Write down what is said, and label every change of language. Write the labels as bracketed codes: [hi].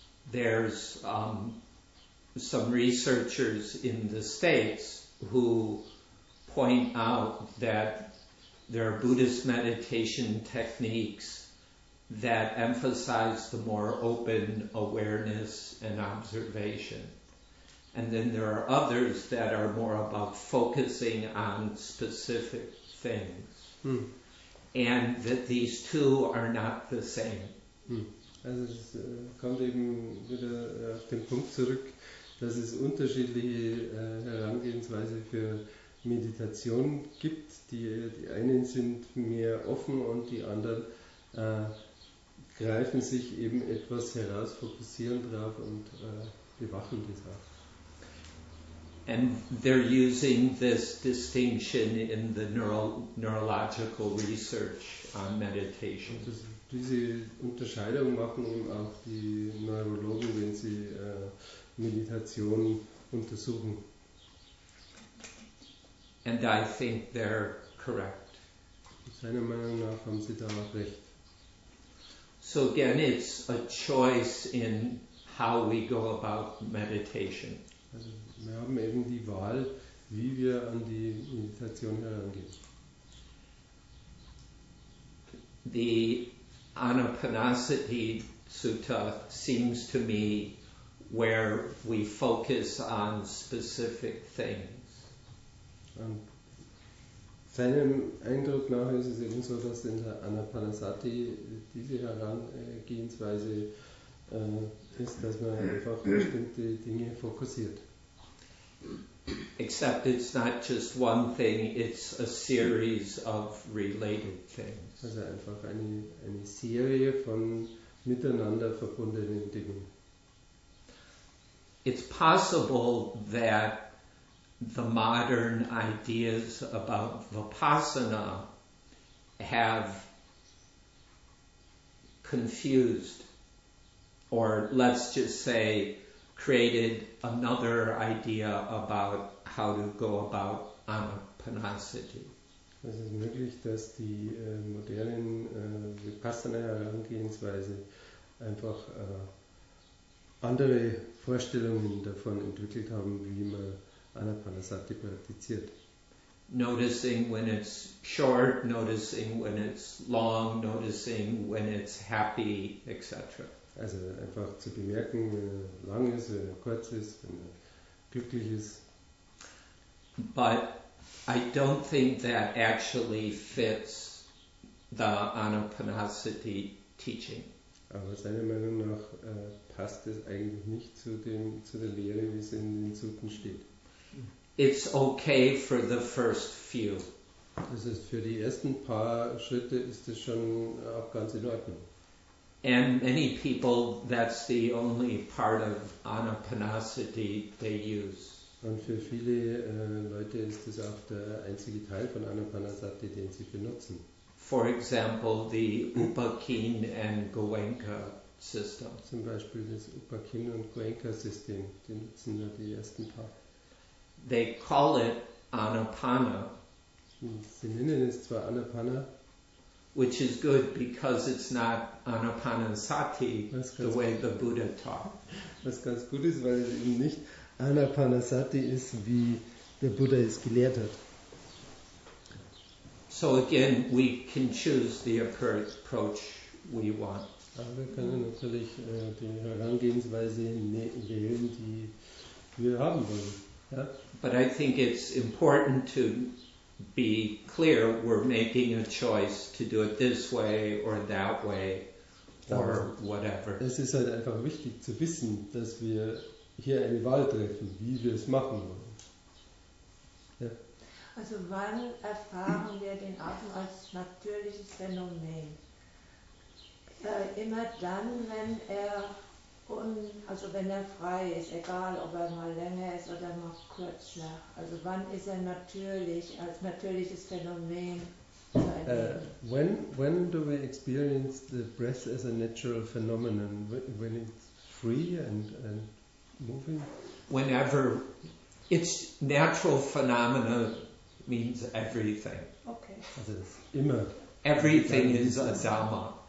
[en] There's some researchers in the States who point out that there are Buddhist meditation techniques that emphasize the more open awareness and observation. And then there are others that are more about focusing on specific things. Hmm. And that these two are not the same. Hmm. [de] Also es kommt eben wieder auf den Punkt zurück, dass es unterschiedliche Herangehensweise für Meditation gibt. Die einen sind mehr offen und die anderen greifen sich eben etwas heraus, fokussieren drauf und bewachen das auch. [en] And they're using this distinction in the neurological research on meditation. [de] Diese Unterscheidung machen eben auch die Neurologen, wenn sie Meditation untersuchen. [en] And I think they're correct. [de] Seiner Meinung nach haben sie da auch recht. [en] So again, it's a choice in how we go about meditation. [de] Also wir haben eben die Wahl, wie wir an die Meditation herangehen. [en] The Anapanasati Sutta seems to me where we focus on specific things. [de] Und seinem Eindruck nach ist es eben so, dass in der Anapanasati diese Herangehensweise ist, dass man einfach bestimmte Dinge fokussiert. [en] Except it's not just one thing, it's a series of related things. [de] Also einfach eine Serie von miteinander verbundenen Dingen. [en] It's possible that the modern ideas about Vipassana have confused, or let's just say, created another idea about how to go about Anapanasati. [de] Es ist möglich, dass die modernen Vipassana-Herangehensweise einfach andere Vorstellungen davon entwickelt haben, wie man Anapanasati praktiziert. [en] Noticing when it's short, noticing when it's long, noticing when it's happy, etc. [de] Also einfach zu bemerken, wenn er lang ist, wenn er kurz ist, wenn er glücklich ist. [en] But I don't think that actually fits the Anapanasati teaching. [de] Aber seiner Meinung nach passt es eigentlich nicht zu der Lehre, wie es in den Sutten steht. [en] It's okay for the first few. [de] Das ist für die ersten paar Schritte ist es schon auch ganz in Ordnung. [en] And many people, that's the only part of Anapanasati they use. [de] Und für viele Leute ist das auch der einzige Teil von Anapanasati, den sie benutzen. [en] For example, the Upakhin and Goenka system. [de] Zum Beispiel das Upakhin und Goenka System, die nutzen nur die ersten paar. [en] They call it Anapana. [de] Sie nennen es zwar Anapana. [en] Which is good because it's not Anapanasati the way the Buddha taught. [de] Was ganz gut ist, weil es eben nicht Anapanasati ist, wie der Buddha es gelehrt hat. [en] So again, we can choose the approach we want. [de] Aber wir können natürlich die Herangehensweise wählen, die wir haben wollen. Ja? [en] But I think it's important to be clear, we're making a choice to do it this way or that way or whatever. [de] Es ist halt einfach wichtig zu wissen, dass wir hier eine Wahl treffen, wie wir es machen wollen. Ja. Also wann erfahren wir den Atem als natürliches Phänomen? Immer dann, wenn er also wenn er frei ist, egal ob er mal länger ist oder mal kurz nach. Also wann ist er natürlich, als natürliches Phänomen zu erleben? [en] When do we experience the breath as a natural phenomenon? When it's free and moving? Whenever. It's natural phenomena means everything. Okay. [de] Also immer. [en] Everything is a Dhamma.